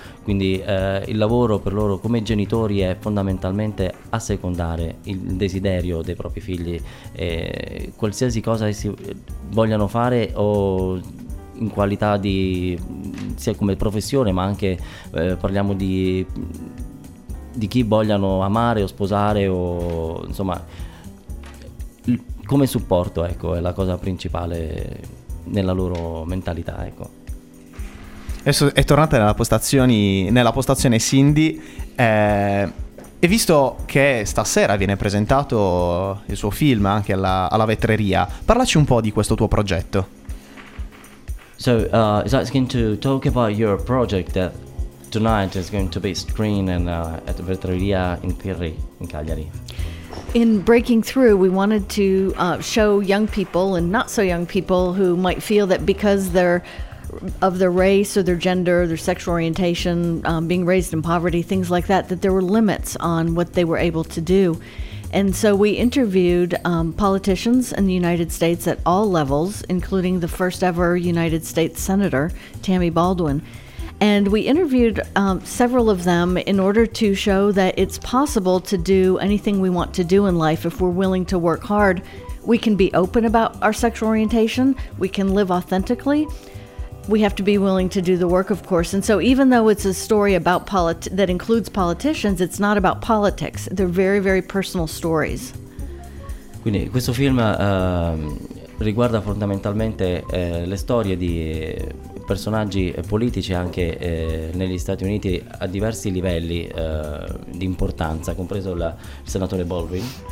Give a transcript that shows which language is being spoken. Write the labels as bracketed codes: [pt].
[it] Quindi il lavoro per loro come genitori è fondamentalmente assecondare il desiderio dei propri figli, qualsiasi cosa essi vogliano fare, o in qualità di sia come professione, ma anche parliamo di chi vogliano amare o sposare, o insomma come supporto, ecco, è la cosa principale nella loro mentalità, ecco. È tornata nella postazione Cindy, e visto che stasera viene presentato il suo film anche alla vetreria, parlaci un po' di questo tuo progetto. [en] So is asking to talk about your project that tonight is going to be screened in at the Vetreria in Pirri, in Cagliari. In Breaking Through, we wanted to show young people and not so young people who might feel that because they're of their race or their gender, their sexual orientation, being raised in poverty, things like that, that there were limits on what they were able to do. And so we interviewed politicians in the United States at all levels, including the first ever United States Senator, Tammy Baldwin. And we interviewed several of them in order to show that it's possible to do anything we want to do in life if we're willing to work hard. We can be open about our sexual orientation. We can live authentically. We have to be willing to do the work, of course. And so even though it's a story about that includes politicians, it's not about politics. They're very, very personal stories. [it] Quindi questo film riguarda fondamentalmente le storie di personaggi politici anche negli Stati Uniti a diversi livelli di importanza, compreso il senatore Baldwin.